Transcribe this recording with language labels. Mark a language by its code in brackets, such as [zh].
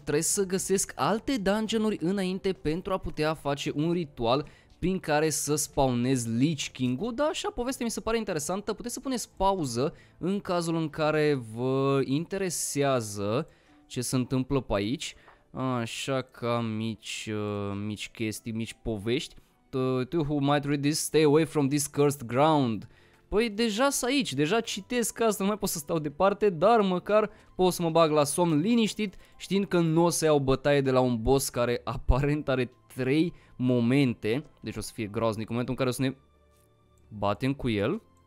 [ro] Trebuie să găsesc alte dungeon-uri înainte pentru a putea face un ritual prin care să spawnez Lich King-ul. Dar așa, povestea mi se pare interesantă. Puteți să puneți pauză în cazul în care vă interesează ce se întâmplă pe aici. Așa ca mici chestii, mici povești. [en] To who might read this, stay away from this cursed ground. [ro] Păi deja sunt aici, deja citesc asta, nu mai pot să stau departe, dar măcar pot să mă bag la somn liniștit, știind că nu o să iau bătaie de la un boss care aparent are 3 momente, deci o să fie groaznic în momentul în care o să ne batem cu el.